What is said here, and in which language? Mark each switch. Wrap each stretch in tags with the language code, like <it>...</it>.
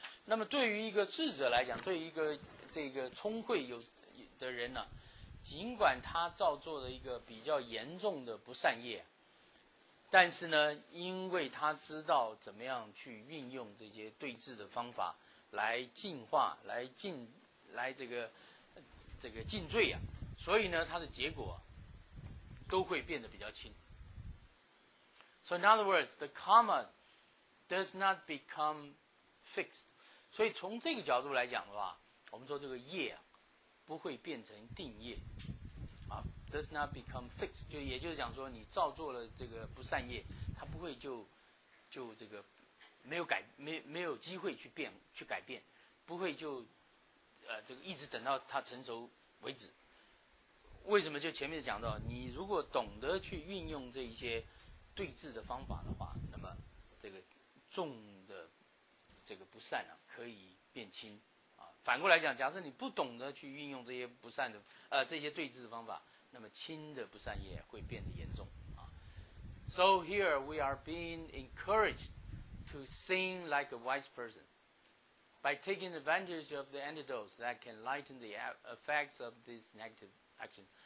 <zh>那么对于一个智者来讲，对于一个这个聪慧有的人呢、啊，尽管他造作了一个比较严重的不善业，但是呢，因为他知道怎么样去运用这些对治的方法来净化、来净罪啊，所以呢，他的结果都会变得比较轻。</zh> <en>So in other words, the karma does not become fixed.</en> <zh>所以从这个角度来讲的话，我们说这个业啊，不会变成定业。</zh> <en>Does not become fixed，</en> <zh>就也就是讲说，你造作了这个不善业，它不会就这个没有机会去改变，不会就这个一直等到它成熟为止。为什么？就前面讲到，你如果懂得去运用这一些对治的方法的话，那么这个重的这个不善啊，可以变轻啊。反过来讲，假设你不懂得去运用这些不善的这些对治的方法，那么轻的不善业会变得严重啊。</zh> <en>So here we are being encouraged to sing like a wise person by taking advantage of the antidotes that can lighten the effects of this negative action.</en>